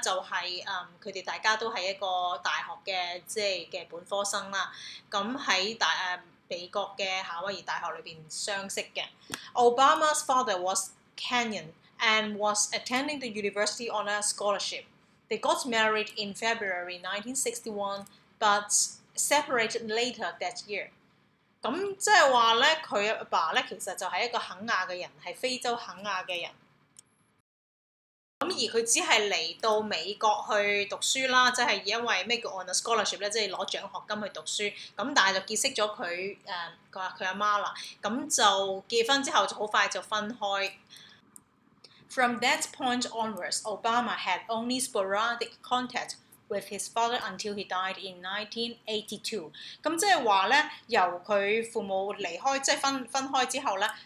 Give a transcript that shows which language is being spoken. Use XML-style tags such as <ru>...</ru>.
<yue>就係佢哋大家都係一個大學嘅即係嘅本科生啦。咁喺美國嘅夏威夷大學裏邊相識嘅。</yue> <en>Obama's father was Kenyan and was attending the university on a scholarship. They got married in February 1961, but separated later that year.</en> <yue>咁即係話咧，佢阿爸咧其實就係一個肯亞嘅人，係非洲肯亞嘅人。咁而佢只係嚟到美國去讀書啦，即係因為咩叫</yue> <en>on a scholarship</en> <yue>咧，即係攞獎學金去讀書。咁但係就結識咗佢佢阿媽啦。咁就結婚之後就好快就分開。</yue> <en>From that point onwards, Obama had only sporadic contact with his father until he died in 1982.</en> <yue>咁即係話咧，由佢父母離開，即係分開之後咧。</yue>